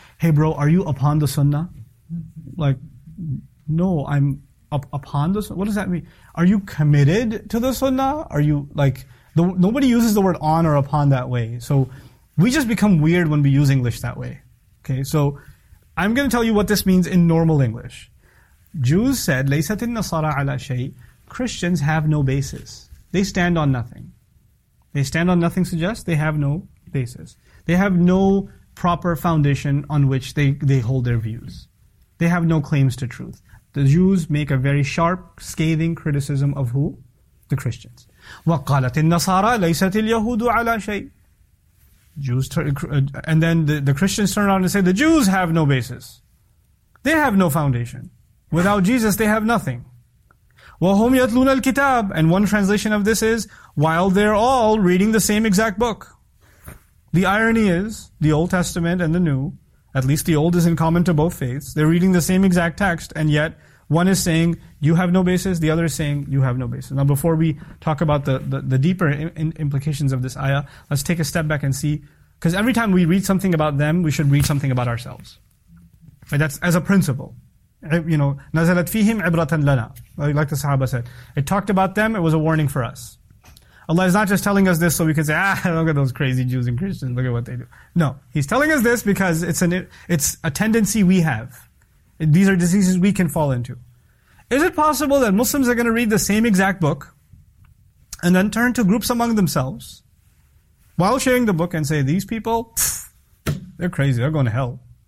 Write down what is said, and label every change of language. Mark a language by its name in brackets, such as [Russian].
[English] Hey bro, are you upon the sunnah? Like, no, I'm upon the sunnah. What does that mean? Are you committed to the sunnah? Are you like, nobody uses the word on or upon that way. So we just become weird when we use English that way. Okay, so I'm going to tell you what this means in normal English. Jews said, [Arabic] لَيْسَتِ النَّصَارَى عَلَى شَيْءٍ. [English] Christians have no basis. They stand on nothing. They stand on nothing suggests they have no basis. They have no proper foundation on which they hold their views. They have no claims to truth. The Jews make a very sharp, scathing criticism of who? The Christians. [Arabic] وَقَالَتِ النَّصَارَى لَيْسَتِ الْيَهُودُ عَلَى شَيْءٍ. [English] Jews and then the Christians turn around and say, the Jews have no basis. They have no foundation. Without Jesus, they have nothing. [Arabic] وَهُمْ يَتْلُونَ الْكِتَابِ. [English] And one translation of this is, while they're all reading the same exact book. The irony is, the Old Testament and the New, at least the Old is in common to both faiths, they're reading the same exact text, and yet one is saying, you have no basis, the other is saying, you have no basis. Now before we talk about the deeper implications of this ayah, let's take a step back and see, because every time we read something about them, we should read something about ourselves. Right? That's as a principle. You know, [Arabic] نَزَلَتْ فِيهِمْ عِبْرَةً لَنَا. [English] Like the Sahaba said, it talked about them, it was a warning for us. Allah is not just telling us this so we can say, ah, look at those crazy Jews and Christians, look at what they do. No, He's telling us this because it's a tendency we have. These are diseases we can fall into. Is it possible that Muslims are going to read the same exact book and then turn to groups among themselves while sharing the book and say, these people, they're crazy, they're going to hell.